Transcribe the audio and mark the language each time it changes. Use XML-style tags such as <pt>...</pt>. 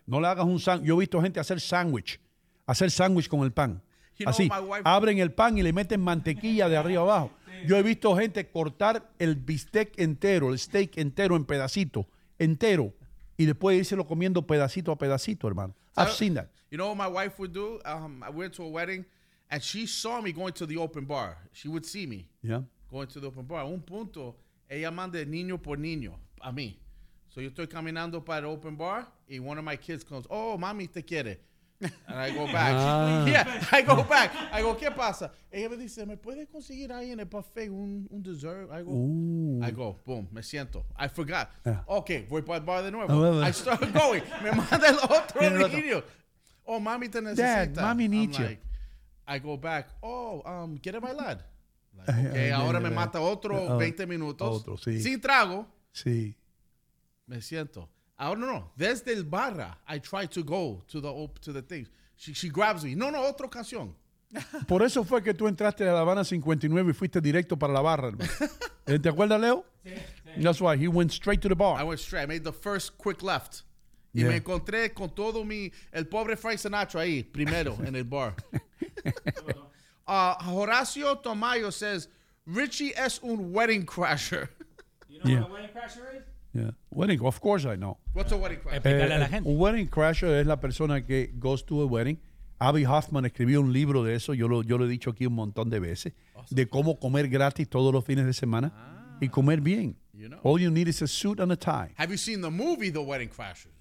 <es>No le hagas un sándwich. Yo he visto gente hacer sándwich con el pan. You así, know, abren el pan y le meten mantequilla de arriba abajo. Sí. Yo he visto gente cortar el bistec entero, el steak entero en pedacito, entero, y después irse lo comiendo pedacito a pedacito, hermano.</es> <en>I've seen that. You know what my wife would do? I went to a wedding. And she saw me going to the open bar. She would see me going to the open bar.</en> <es>Un punto, ella manda niño por niño a mí.</es> <en>So</en> <es>yo estoy caminando para el</es> <en>open bar, and one of my kids comes, oh,</en> <es>mami, te quiere.</es> <en>And I go back. I go back. I go,</en> <es>¿qué pasa? Ella me dice, ¿me puede conseguir ahí en el buffet un dessert?</es> <en>I go, ooh. I go, boom,</en> <es>me siento.</es> <en>I forgot. Yeah. Okay,</en> <es>voy para el bar de nuevo.</es> <en>I start going.</en> <es>Me manda el otro niño. Oh, mami, te necesita.</es> <en>Dad, mami, needs you. I go back, get it, my lad. Like, okay,</en> <es>ahora me mata otro 20 minutos. Otro, sí. Sin trago. Sí. Me siento. Ahora no. Desde el barra,</es> <en>I try to go to the thing. She grabs me.</en> <es>No, otra ocasión. Por eso fue que tú entraste a La Habana 59 y fuiste directo para la barra. ¿Te acuerdas, Leo? Sí.</es> <en>That's why he went straight to the bar. I went straight. I made the first quick left.</en> <es>Yeah. Y me encontré con todo el pobre Frank Sinatra ahí, primero, en el bar. Horacio Tomayo says, Richie es un wedding crasher.</es> <en>You know what a wedding crasher is? Yeah. Wedding, of course I know. What's a wedding crasher?</en> <es>A la gente. Un wedding crasher es la persona que</es> <en>goes to a wedding.</en> <es>Abby Hoffman escribió un libro de eso. Yo lo he dicho aquí un montón de veces. Awesome. De cómo comer gratis todos los fines de semana y comer bien.</es> <en>You know. All you need is a suit and a tie. Have you seen the movie, The Wedding Crashers?</en>